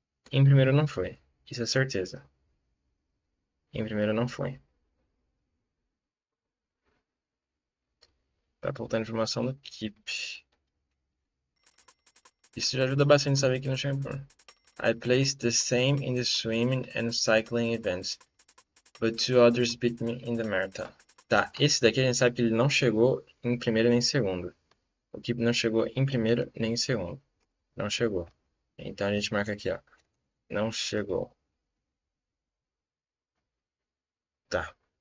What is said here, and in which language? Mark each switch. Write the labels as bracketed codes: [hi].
[pt] Em primeiro não foi. Isso é certeza. Em primeiro não foi. Tá faltando informação da equipe. Isso já ajuda bastante a saber que não chegou. [en] I placed the same in the swimming and cycling events, but two others beat me in the marathon. [pt] Tá, esse daqui a gente sabe que ele não chegou em primeiro nem segundo. O Kip não chegou em primeiro nem em segundo. Não chegou. Então a gente marca aqui, ó. Não chegou. Tá.